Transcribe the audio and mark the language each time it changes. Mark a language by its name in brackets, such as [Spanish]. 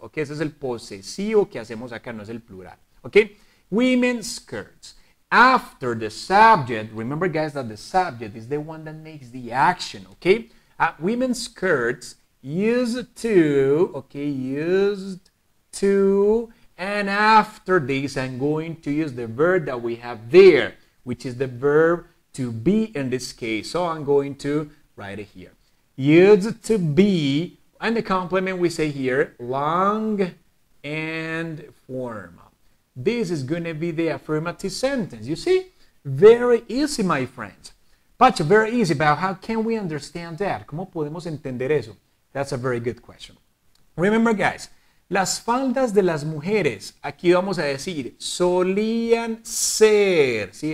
[Spanish] Okay, ese es el posesivo que hacemos acá, no es el plural. [English] Okay, women's skirts. After the subject, remember guys that the subject is the one that makes the action. Okay, women's skirts used to, okay, used to. And after this, I'm going to use the verb that we have there, which is the verb to be in this case. So I'm going to write it here. Used to be, and the complement we say here, long and formal. This is going to be the affirmative sentence. You see? Very easy, my friends. But very easy, but how can we understand that? [Spanish] ¿Cómo podemos entender eso? [English] That's a very good question. Remember, guys. [Spanish] Las faldas de las mujeres, aquí vamos a decir, solían ser, ¿sí?